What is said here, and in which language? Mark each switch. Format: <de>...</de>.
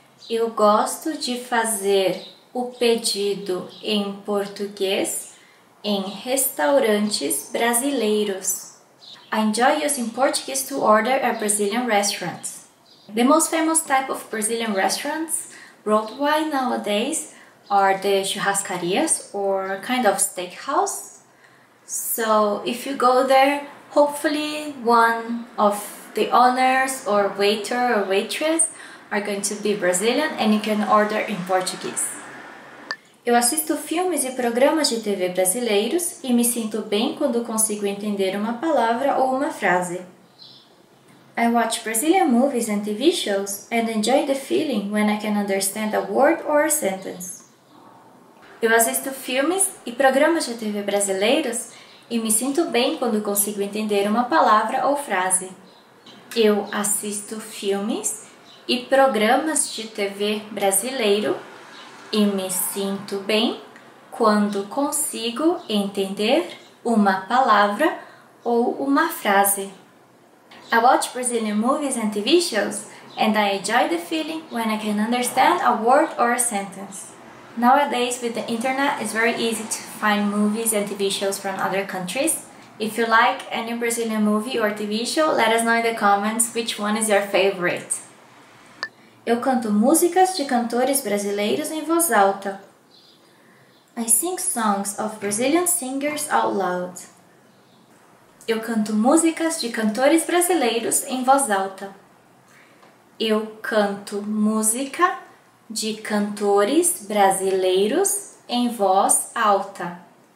<pt>Eu gosto de fazer o pedido em português em restaurantes brasileiros.</pt> <en>I enjoy using Portuguese to order at Brazilian restaurants. The most famous type of Brazilian restaurants worldwide nowadays are the churrascarias or kind of steakhouse. So if you go there, hopefully one of the owners or waiter or waitress are going to be Brazilian and you can order in Portuguese.</en> <pt>Eu assisto filmes e programas de TV brasileiros e me sinto bem quando consigo entender uma palavra ou uma frase.</pt> <en>I watch Brazilian movies and TV shows and enjoy the feeling when I can understand a word or a sentence.</en> <pt>Eu assisto filmes e programas de TV brasileiros e me sinto bem quando consigo entender uma palavra ou frase. Eu assisto filmes e programas de TV brasileiro e me sinto bem quando consigo entender uma palavra ou uma frase.</pt> <en>I watch Brazilian movies and TV shows and I enjoy the feeling when I can understand a word or a sentence. Nowadays, with the internet, it's very easy to find movies and TV shows from other countries. If you like any Brazilian movie or TV show, let us know in the comments which one is your favorite.</en> <pt>Eu canto músicas de cantores brasileiros em voz alta.</pt> <en>I sing songs of Brazilian singers out loud.</en> <pt>Eu canto músicas de cantores brasileiros em voz alta. Eu canto música de cantores brasileiros em voz alta.</pt>